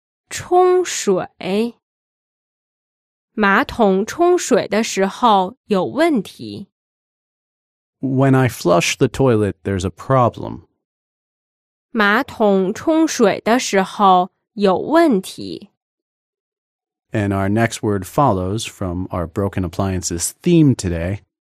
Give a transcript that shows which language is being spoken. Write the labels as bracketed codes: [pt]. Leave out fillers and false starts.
[zh] 冲水马桶冲水的时候有问题 [en] When I flush the toilet, there's a problem. [zh] 马桶冲水的时候有问题 [en] And our next word follows from our broken appliances theme today.